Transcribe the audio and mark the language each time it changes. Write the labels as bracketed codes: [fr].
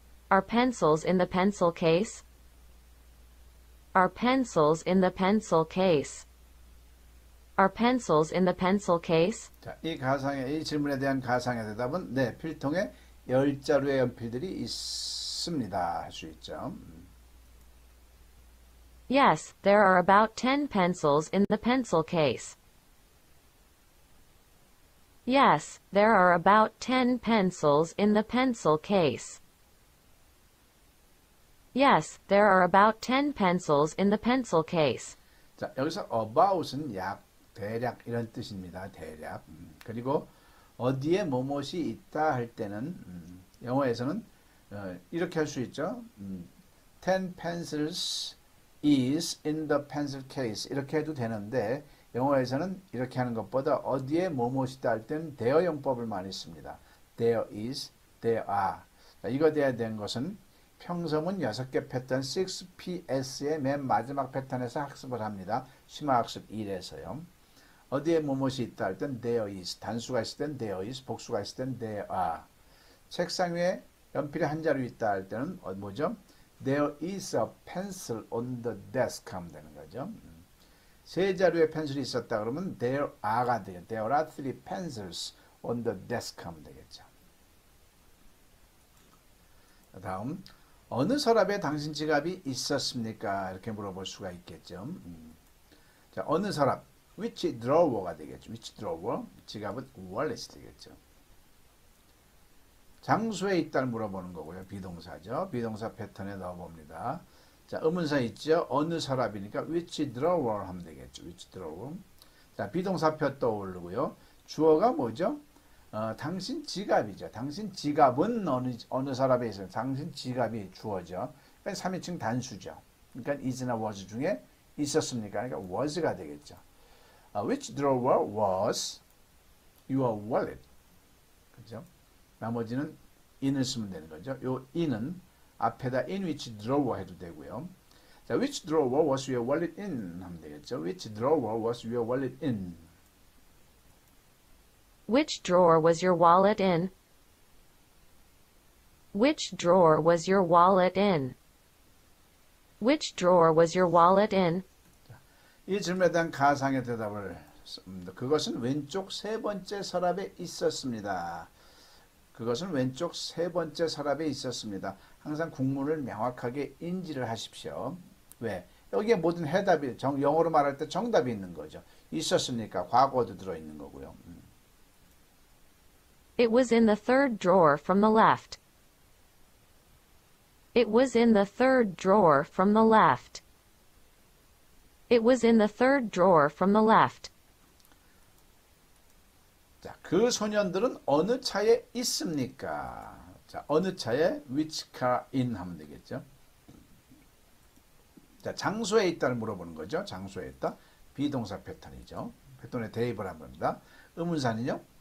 [en] Are pencils in the pencil case? Are pencils in the pencil case? Are pencils in the pencil case? [ko] 자, 이 질문에 대한 가상의 대답은 네, 필통에 열자루의 연필들이 있습니다. 할 수 있죠. [en] Yes, there are about 10 pencils in the pencil case. Yes, there are about 10 pencils in the pencil case. Yes, there are about 10 pencils in the pencil case. [ko] 자, 여기서 about은 약, 대략 이런 뜻입니다. 대략. 그리고 어디에 뭐뭇이 있다 할 때는 영어에서는 이렇게 할 수 있죠. [en] 10 pencils is in the pencil case. [ko] 이렇게 해도 되는데 영어에서는 이렇게 하는 것보다 어디에 뭐뭇이 있다 할 때는 there 용법을 많이 씁니다. [en] There is, there are. [ko] 자, 이거 돼야 되는 것은 평섬은 6개 패턴 6PS의 맨 마지막 패턴에서 학습을 합니다. 심화 학습 1에서요. 어디에 무엇이 있다 할땐 there is, 단수가 있을 땐 there is, 복수가 있을 땐 there are. 책상 위에 연필이 한 자루 있다 할 때는 뭐죠? [en] There is a pencil on the desk [ko] 하면 되는 거죠. 세 자루의 펜슬이 있었다 그러면 there are가 되겠죠. [en] There are three pencils on the desk [ko] 하면 되겠죠. 다음, 어느 서랍에 당신 지갑이 있었습니까? 이렇게 물어볼 수가 있겠죠. 자, 어느 서랍? [en] Which drawer [ko] 가 되겠죠. [en] Which drawer? [ko] 지갑은 wallet이 되겠죠. 장소에 있다를 물어보는 거고요. 비동사죠. 비동사 패턴에 넣어봅니다. 자, 의문사 있죠. 어느 서랍이니까 [en] which drawer [ko] 하면 되겠죠. [en] Which drawer? [ko] 자, 비동사표 떠오르고요. 주어가 뭐죠? 당신 지갑이죠. 당신 지갑은 어느 서랍에 있어요. 당신 지갑이 주어죠. 그러니까 3인칭 단수죠. 그러니까 is나 was 중에 있었습니까? 그러니까 was가 되겠죠. [en] Which drawer was your wallet? [ko] 그죠? 나머지는 in을 쓰면 되는 거죠. 요 in은 앞에다 [en] in which drawer [ko] 해도 되고요. [en] 자, which drawer was your wallet in? [ko] 하면 되겠죠. [en] Which drawer was your wallet in? Which drawer was your wallet in? Which drawer was your wallet in? Which drawer was your wallet in? [ko] 이 질문에 대한 가상의 대답을 씁니다. 그것은 왼쪽 세 번째 서랍에 있었습니다. 그것은 왼쪽 세 번째 서랍에 있었습니다. 항상 국문을 명확하게 인지를 하십시오. 왜? 여기에 모든 해답이, 영어로 말할 때 정답이 있는 거죠. 있었습니까? 과거도 들어있는 거고요. [en] It was in the third drawer from the left. It was in the third drawer from the left. It was in the third drawer from the left. [ko] 자, 그 소년들은 어느 차에 있습니까? 자, 어느 차에 [en] which car in [ko] 하면 되겠죠? 자, 장소에 있다를 물어보는 거죠. 장소에 있다. 비동사 패턴이죠. 패턴의 대입을 합니다. 의문사는요.